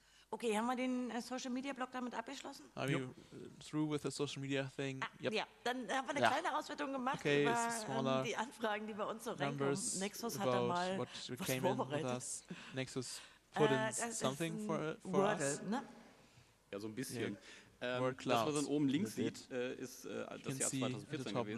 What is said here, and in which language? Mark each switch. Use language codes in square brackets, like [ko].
[de] Okay, haben wir den Social-Media-Blog damit abgeschlossen? [en] Are you through with the Social-Media-Thing? Yep. [de] Ja, dann haben wir eine kleine Auswertung gemacht über die Anfragen, die bei uns so reinkommen. Nexus hat da mal was vorbereitet. [en] Nexus put in something for us? [de] Ja, so ein bisschen. [en] More clouds. [de] Was man oben links sieht, ist das Jahr 2014 gewesen.